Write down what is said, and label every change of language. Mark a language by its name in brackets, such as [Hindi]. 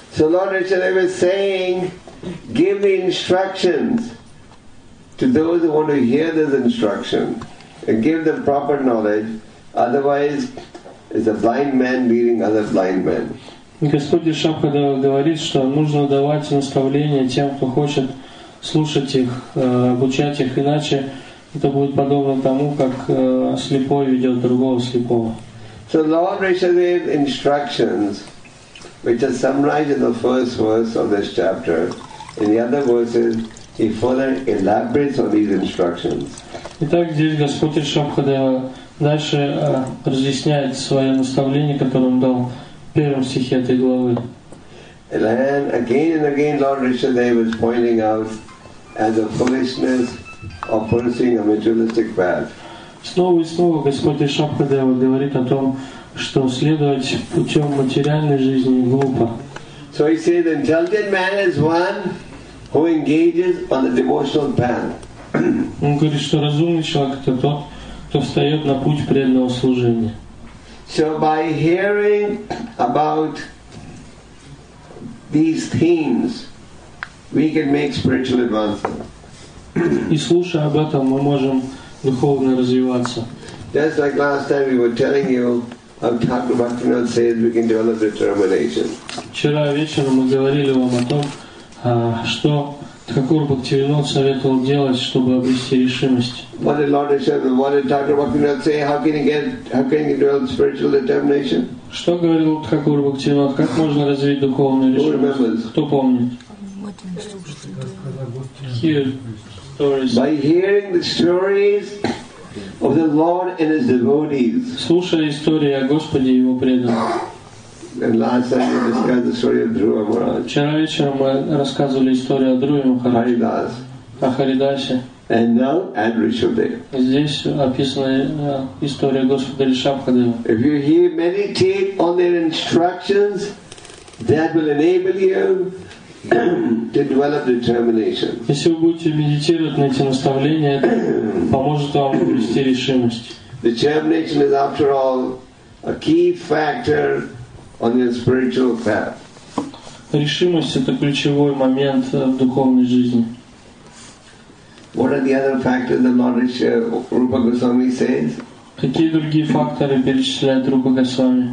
[English] So Lord Rishadeva was saying, give the instructions to those who want to hear this instruction and give them proper knowledge. Otherwise, it's a blind man leading other blind men. [Russian] Господь Шабхадева говорит, что нужно давать наставления тем, кто хочет слушать их, обучать их, иначе это будет подобно тому, как слепой ведет другого слепого. [English] So Lord Rishadeva's instructions, which are summarized in the first verse of this chapter, in the other verses, he further elaborates on these instructions. [Russian] Итак, здесь Господь Шабхадева дальше разъясняет свое наставление, которое он дал в первом стихе этой главы. [English] And again, Lord Rishadeva is pointing out as a foolishness of pursuing a materialistic path. [Russian] Снова и снова Господь Шабхадева говорит о том, что следовать путем материальной жизни глупо. [English] So he says, the intelligent man is one who engages on the devotional path. [Russian] Он говорит, что разумный человек это тот, кто встает на путь преданного служения. [English] So by hearing about these themes, we can make spiritual advancement. [Russian] И слушая об этом, мы можем духовно развиваться. [English] Just like last time we were telling you, how Thakur Bhaktivinoda says we can develop determination. [Russian] Вчера вечером мы говорили вам о том, что Thakur Bhaktivinoda советовал делать, чтобы обрести решимость. [English] What did Lord Rishadeva, what did Thakur Bhaktivinoda say? How can you develop spiritual determination? [Russian] Что говорил Thakur Bhaktivinoda? Как можно развить духовную решимость? Кто помнит? [English] Here. By hearing the stories of the Lord and His devotees. [Russian] Слушая истории о Господе и Его преданных. [English] And last time we discussed the story of Dhruva Maharaj. [Russian] Вчера вечером мы рассказывали историю о Друве Махарадже. О Харидасе. [English] And now at Ришабдеве. [Russian] Здесь описана история Господа Ришабхадева. [English] If you hear, meditate on their instructions, that will enable you to develop determination. [Russian] Если вы будете медитировать на эти наставления, это поможет вам обрести решимость. [English] Determination is, after all, a key factor on your spiritual path. [Russian] Решимость — это ключевой момент в духовной жизни. [English] What are the other factors that Lord Rupa Goswami says? [Russian] Какие другие факторы перечисляет Рупа Госвами?